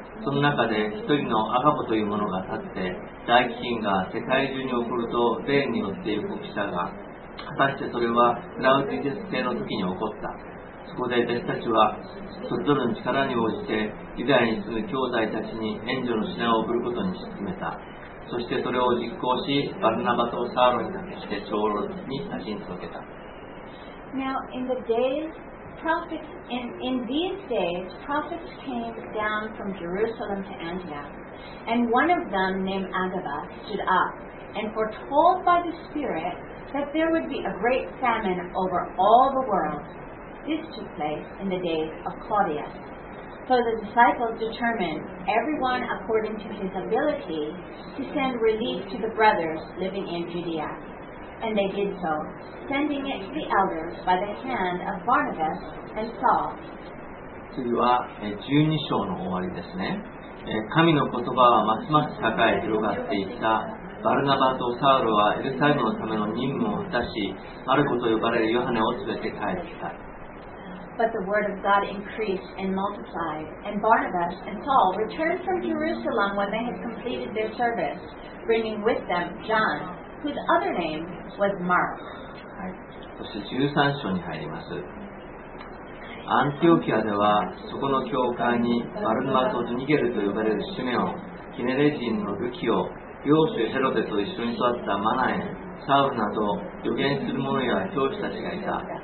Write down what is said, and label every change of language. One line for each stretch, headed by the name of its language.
Japanese: その中で一人のアガボという者が立って、大飢饉が世界中に起こると霊によって予告したが、果たしてそれはクラウディテス帝の時に起こった。そこで弟子たちはそれぞれの力に応じてユダヤに住む兄弟たちに援助の品を送ることに進めた。そしてそれを実行しバルナバとサウロに託して長老に立ちに届けた。
English: Now in the days prophets in these days prophets came down from Jerusalem to Antioch, and one of them named Agaba stood up and foretold by the Spirit that there would be a great famine over all the world. this took place in the days of Claudius. So the disciples determined, everyone according to his ability, to send relief to the brothers living in Judea. And they did so, sending it to the elders by the hand of Barnabas and Saul.
Japanese: 次は12章の終わりですね。神の言葉はますます栄え広がっていった。バルナバとサウルはエルサレムのための任務を果たし、マルコと呼ばれるヨハネを連れて帰ってきた。
English: But the word of God increased and multiplied, and Barnabas and Saul returned from Jerusalem when they had completed their service, bringing with them John, whose other name was Mark.
Japanese: そして13章に入ります。アンティオキアでは、そこの教会にバルナバとニゲルと呼ばれるシメオン、キネレ人のルキオ、領主ヘロデと一緒に育ったマナエ、サウルなど預言する者や教師たちがいた。